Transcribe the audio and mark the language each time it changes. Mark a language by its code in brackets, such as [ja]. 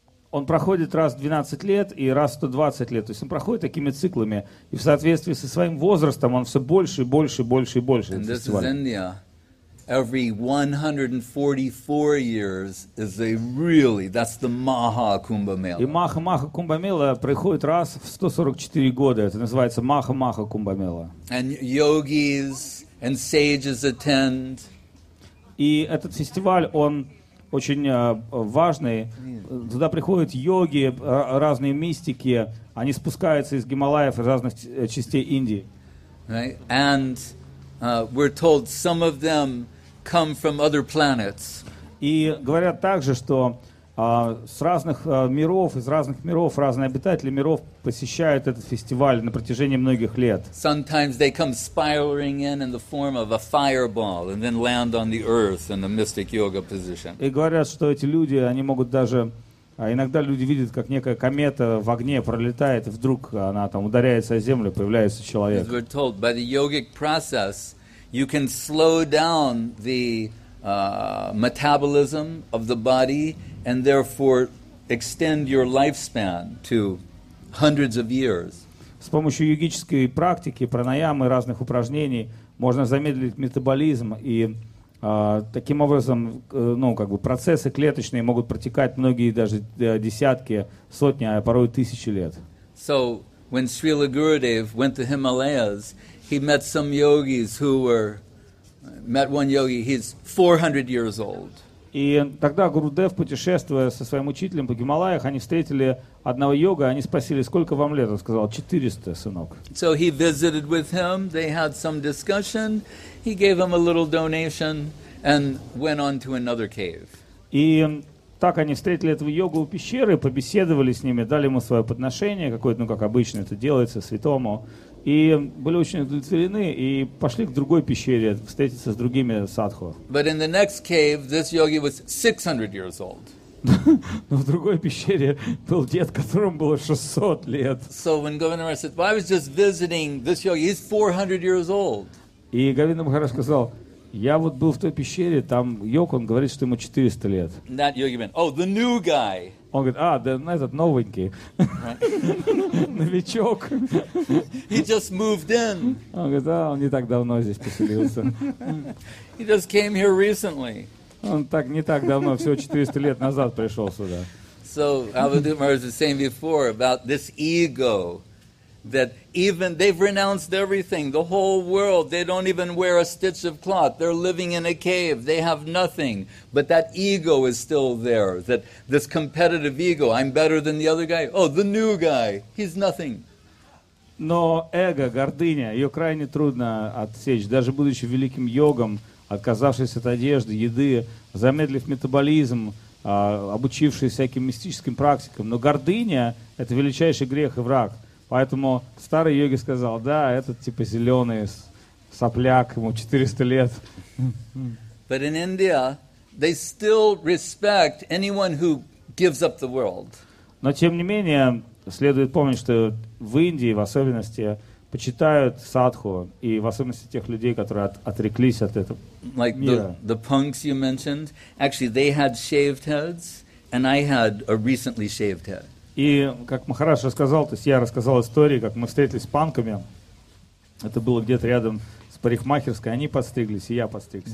[ru] Он проходит раз в 12 лет и раз в 120 лет. То есть он проходит такими циклами. И в соответствии со своим возрастом он все больше и больше и больше и больше. [en] And this is India. Every 144 years is a really, that's the Maha Kumbha Mela. [ru] И Маха Кумбха Мела приходит раз в 144 года. Это называется Маха Кумбха Мела. [en] And yogis and sages attend. [ru] И этот фестиваль, он очень важный. Туда приходят йоги, разные мистики, Они спускаются из Гималаев и разных частей Индии. [en] Right? And we're told some of them come from other planets. [ru] И говорят также, что с разных миров, из разных миров разные обитатели миров посещают этот фестиваль на протяжении многих лет. [en] Sometimes they come spiraling in the form of a fireball and then land on the earth in the mystic yoga position. [ru] И говорят, что эти люди, они могут даже иногда люди видят, как некая комета в огне пролетает, и вдруг она там ударяется о землю, появляется человек. [en] As we're told, by the yogic process, you can slow down the metabolism of the body and therefore extend your lifespan to hundreds of years. [ru] С помощью йогической практики, пранаямы, разных упражнений можно замедлить метаболизм и таким образом, ну, как бы процессы клеточные могут протекать многие даже десятки, сотни, а порой тысячи лет. [en] So, when Srila Gurudev went to Himalayas, he met some yogis who were met one yogi, he's 400 years old. [ru] И тогда Гурудев, путешествуя со своим учителем по Гималаях, они встретили одного йога, они спросили, сколько вам лет? Он сказал, 400, сынок. [en] So he visited with him, they had some discussion, he gave him a little donation and went on to another cave. [ru] И так они встретили этого йогу у пещеры, побеседовали с ними, дали ему свое подношение, какое-то, ну, как обычно это делается, святому, и были очень удовлетворены и пошли к другой пещере встретиться с другими садху. [en] But in the next cave, this yogi was 600 years old. [ru] Но в другой пещере был дед, которому было 600 лет. [en] So when Govinda Maharaj said, well, I was just visiting this yogi, he's 400 years old. [ru] И Говинда Махарадж сказал, я вот был в той пещере, там йог, он говорит, что ему 400 лет. [en] And that yogi went, oh, the new guy. [ru] Он говорит, а, да, ну, этот новенький, [en] right. [ru] Новичок. [en] He just moved in. [ru] Он говорит, а, он не так давно здесь поселился. [en] He just came here recently. [ru] Он так не так давно, всего 400 лет назад пришел сюда. [en] So, Avadhut Maharaj was saying before about this ego, that even they've renounced everything, the whole world, they don't even wear a stitch of cloth, they're living in a cave, they have nothing, but that ego is still there, that this competitive ego, I'm better than the other guy, oh, the new guy, he's nothing. [ru] Но эго, гордыня, ее крайне трудно отсечь, даже будучи великим йогом, отказавшись от одежды, еды, замедлив метаболизм, обучившись всяким мистическим практикам, но гордыня – это величайший грех и враг. Поэтому старый йоги сказал, да, этот типа зеленый сопляк, ему 400 лет. [en] But in India, they still respect anyone who gives up the world. [ru] Но тем не менее, следует помнить, что в Индии в особенности почитают садху, и в особенности тех людей, которые отреклись от этого мира. [en] Like the punks you mentioned, actually they had shaved heads, and I had a recently shaved head. [ru] И как Махарадж рассказал, то есть я рассказал историю, как мы встретились с панками. Это было где-то рядом с парикмахерской. Они подстриглись, и я подстригся.